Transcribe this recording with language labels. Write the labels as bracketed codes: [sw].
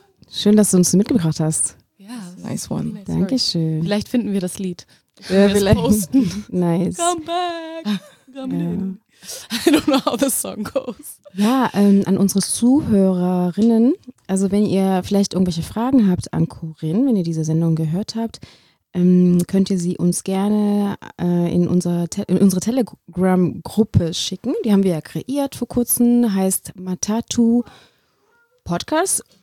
[de] Schön, dass du uns mitgebracht hast. [en] Yes. Nice one. [de] Dankeschön. Vielleicht finden wir das Lied. Ja, vielleicht. Posten. Nice. [en] Come back. Come I don't know how the song goes. [de] Ja, an unsere Zuhörerinnen, also wenn ihr vielleicht irgendwelche Fragen habt an Corinne, wenn ihr diese Sendung gehört habt, könnt ihr sie uns gerne in unsere Telegram-Gruppe schicken. Die haben wir ja kreiert vor kurzem, heißt Matatu Podcast.